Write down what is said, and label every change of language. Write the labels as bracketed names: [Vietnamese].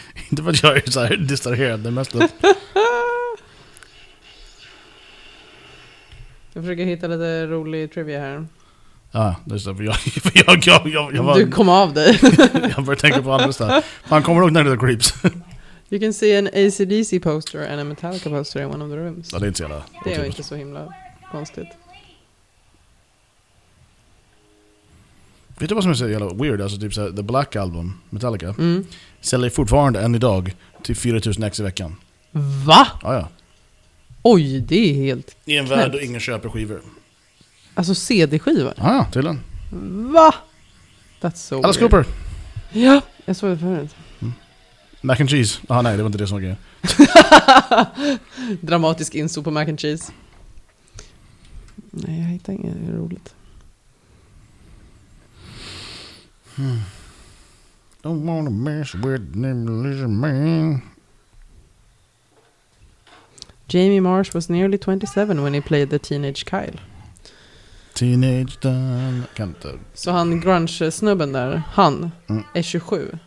[Swedish] Inte för att jag är så här distraherad det mest. Jag försöker hitta lite rolig trivia här. Ja, det är så. Jag var, du kom av dig. Jag började tänka på andra stöd. Han kommer nog när det är creeps. [English] You can see an AC/DC poster and a Metallica poster in one of the rooms. [Swedish] Ja, det är inte så jävla. Det är inte så himla konstigt. Vet du vad som är så jävla weird? Alltså typ så The Black Album, Metallica, mm. säljer fortfarande än idag till 4000 ex i veckan. Va? Ja, ja. Oj, det är helt knäppt. I en värld då ingen köper skivor. Alltså CD-skivor? Ja, tydligen. [English] Va? That's so Alice Cooper. [Swedish] Ja, jag såg det förut. Mac and cheese. Ah, nej, det var inte det som var grejen. Dramatisk inso på mac and cheese. Nej, jag hittar inget roligt. [English] Don't wanna mess with them, listen, man. Jamie Marsh was nearly 27 when he played the teenage Kyle. [Swedish] Teenage Dan. Kan inte. Så han grunge-snubben där, han är 27.